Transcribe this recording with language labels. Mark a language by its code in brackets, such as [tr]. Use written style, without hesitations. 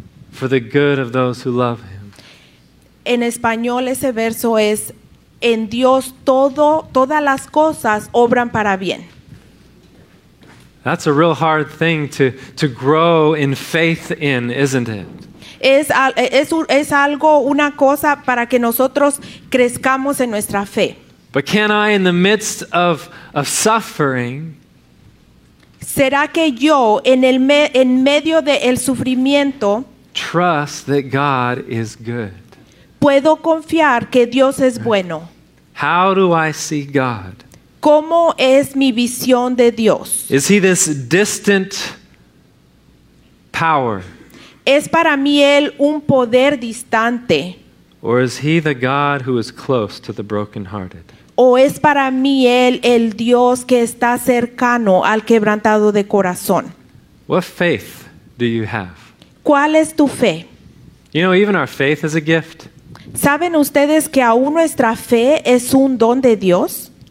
[en] for the good of those who love him. [es] En español ese verso es: en Dios todas las cosas obran para bien. [en] That's a real hard thing to grow in faith in, isn't it? [es] Es algo, una cosa para que nosotros crezcamos en nuestra fe. [en] But can I, in the midst of suffering, [es] ¿será que yo en medio del sufrimiento, [en] trust that God is good? [es] ¿Puedo confiar que Dios es bueno? [en] How do I see God? [es] ¿Cómo es mi visión de Dios? [en] Is he this distant power? [es] ¿Es para mí él un poder distante? [en] Or is he the God who is close to the brokenhearted? [es] ¿O es para mí él el Dios que está cercano al quebrantado de corazón? [en] What faith do you have? [es] ¿Cuál es tu fe? [en] You know, even our faith is a gift. [es] ¿Saben ustedes que aún nuestra fe es un don de Dios?